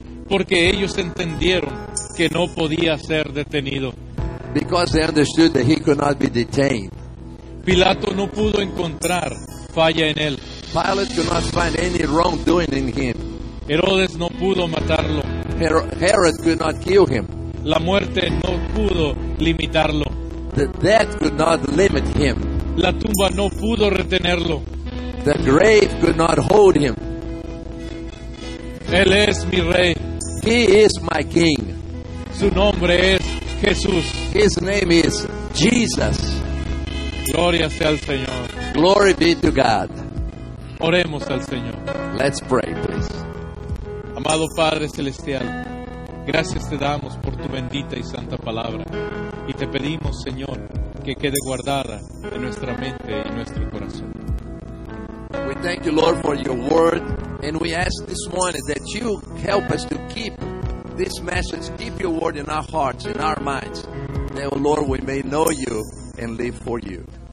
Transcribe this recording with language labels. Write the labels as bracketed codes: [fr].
[es] Porque ellos entendieron que no podía ser detenido. [en] Because they understood that he could not be detained. [es] Pilato no pudo encontrar falla en él. [en] Pilate could not find any wrongdoing in him. [es] Herodes no pudo matarlo. [en] Herod could not kill him. [es] La muerte no pudo limitarlo. [en] The death could not limit him. [es] La tumba no pudo retenerlo. [en] The grave could not hold him. [es] Él es mi rey. [en] He is my king. [es] Su nombre es Jesús. [en] His name is Jesus. [es] Gloria sea al Señor. [en] Glory be to God. [es] Oremos al Señor. [en] Let's pray, please. [es] Amado Padre Celestial, gracias te damos por tu bendita y santa palabra. Y te pedimos, Señor, que quede guardada en nuestra mente y nuestro corazón. [en] We thank you, Lord, for your word. And we ask this morning that you help us to keep this message, keep your word in our hearts, in our minds. That, oh Lord, we may know you and live for you.